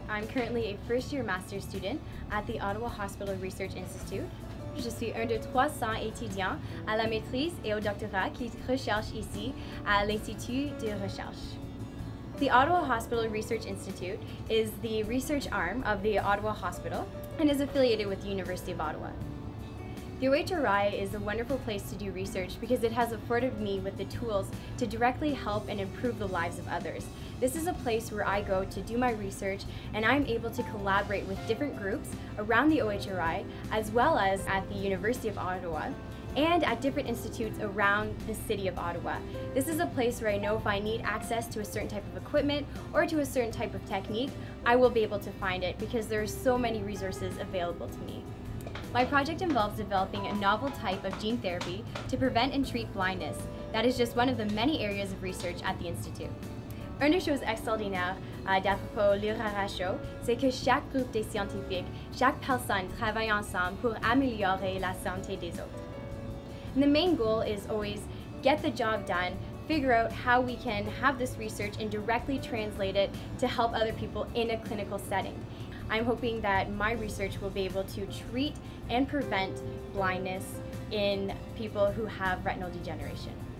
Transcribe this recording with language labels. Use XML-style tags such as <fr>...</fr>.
<en>I'm currently a first-year master's student at the Ottawa Hospital Research Institute.</en> <fr>Je suis un de 300 étudiants à la maîtrise et au doctorat qui recherchent ici à l'Institut de Recherche.</fr> <en>The Ottawa Hospital Research Institute is the research arm of the Ottawa Hospital and is affiliated with the University of Ottawa. The IRHO is a wonderful place to do research because it has afforded me with the tools to directly help and improve the lives of others. This is a place where I go to do my research and I'm able to collaborate with different groups around the IRHO as well as at the University of Ottawa and at different institutes around the city of Ottawa. This is a place where I know if I need access to a certain type of equipment or to a certain type of technique, I will be able to find it because there are so many resources available to me. My project involves developing a novel type of gene therapy to prevent and treat blindness. That is just one of the many areas of research at the Institute.</en> <fr>Un des choses extraordinaires d'après l'IRHO, c'est que chaque groupe de scientifiques, chaque personne travaille ensemble pour améliorer la santé des autres.</fr> <en>And the main goal is always get the job done, figure out how we can have this research and directly translate it to help other people in a clinical setting. I'm hoping that my research will be able to treat and prevent blindness in people who have retinal degeneration.</en>